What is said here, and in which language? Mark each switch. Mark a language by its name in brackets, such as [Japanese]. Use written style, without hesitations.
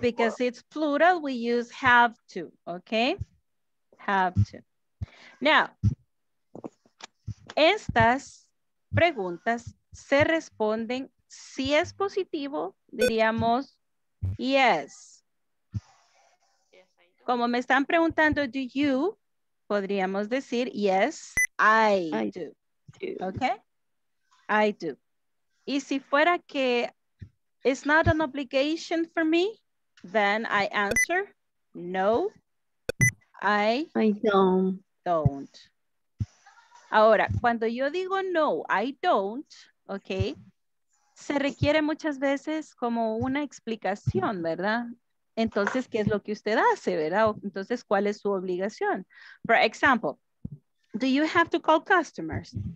[English] Because it's plural, we use have to, okay? Have to. [Spanish] Now, estas preguntas se responden si es positivo, diríamos yes. Como me están preguntando, do you, podríamos decir, [English] yes, I do. Okay? I do. [Spanish] Y si fuera que [English] it's not an obligation for me, then I answer, no, I don't. [Spanish] Ahora, cuando yo digo [English] no, I don't, [Spanish] okay, se requiere muchas veces como una explicación, ¿verdad? Entonces, ¿qué es lo que usted hace, verdad? Entonces, ¿cuál es su obligación? [English] For example, do you have to call customers?